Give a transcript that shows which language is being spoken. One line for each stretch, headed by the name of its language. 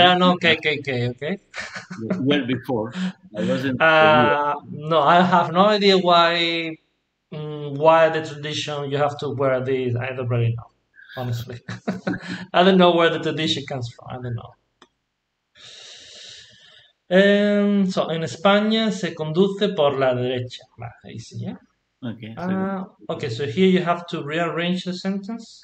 English: are not KKK, okay? well before, I wasn't No, I have no idea why the tradition you have to wear this. I don't really know, honestly. aware. I don't know where the tradition comes from. I don't know.
Spanish: So in España se conduce por la derecha. Ahí sí, ¿ya?
English: Okay, so good. Okay, so here you have to rearrange the sentence.